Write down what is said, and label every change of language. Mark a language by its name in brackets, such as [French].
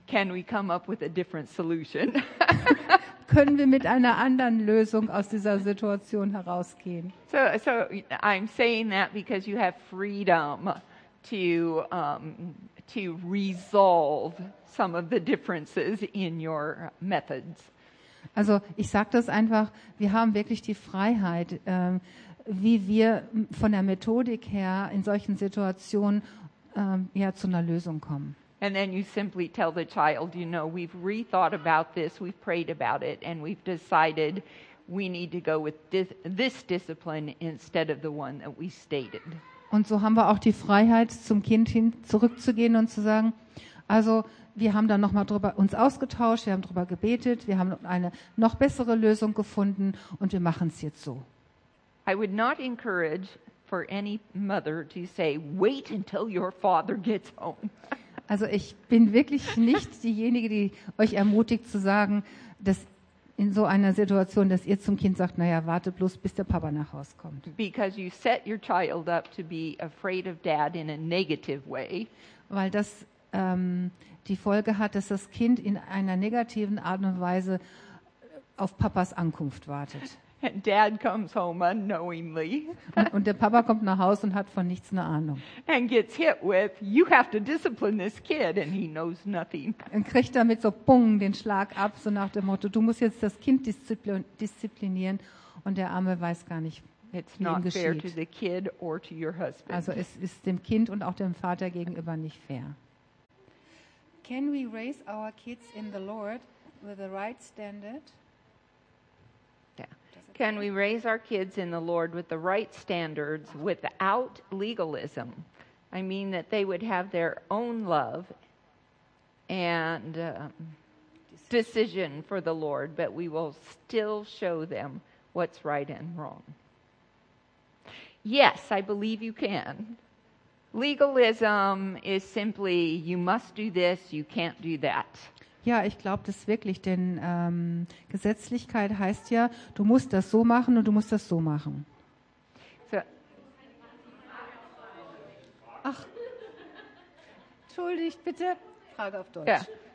[English] Can we come up with a different solution? [German] Können wir mit einer anderen Lösung aus dieser Situation herausgehen? [English] So I'm saying that because you have freedom to resolve some of the differences in your methods. [German] Also ich sage das einfach, wir haben wirklich die Freiheit, wie wir von der Methodik her in solchen Situationen ja, zu einer Lösung kommen. [English] And then you simply tell the child, you know, we've rethought about this, we've prayed about it, and we've decided we need to go with this discipline instead of the one that we stated. [German] Und so haben wir auch die Freiheit, zum Kind hin zurückzugehen und zu sagen, also wir haben dann nochmal drüber uns ausgetauscht, wir haben drüber gebetet, wir haben eine noch bessere Lösung gefunden und wir machen es jetzt so. [English] I would not encourage for any mother to say, wait until your father gets home. [German] Also ich bin wirklich nicht diejenige, die euch ermutigt zu sagen, dass in so einer Situation, dass ihr zum Kind sagt, naja, wartet bloß, bis der Papa nach Hause kommt. [English] Because you set your child up to be afraid of dad in a negative way. [German] Weil das die Folge hat, dass das Kind in einer negativen Art und Weise auf Papas Ankunft wartet. [English] And dad comes home unknowingly. [German] Und der Papa kommt nach Hause und hat von nichts eine Ahnung. [English] And gets hit with, you have to discipline this kid, and he knows nothing. [German] Und kriegt damit so bung den Schlag ab, so nach dem Motto, du musst jetzt das Kind disziplinieren, und der Arme weiß gar nicht, [English] it's not [German] wem geschieht. [English] Fair to the kid or to your husband. [German] Also es ist dem Kind und auch dem Vater gegenüber nicht fair. [English] Can we raise our kids in the Lord with the right standard? Can we raise our kids in the Lord with the right standards without legalism? I mean that they would have their own love and decision for the Lord, but we will still show them what's right and wrong. Yes, I believe you can. Legalism is simply you must do this, you can't do that. [German] Ja, ich glaube das wirklich, denn Gesetzlichkeit heißt ja, du musst das so machen und du musst das so machen. [English] So. [German] Ach, entschuldigt bitte. Frage auf Deutsch. Ja.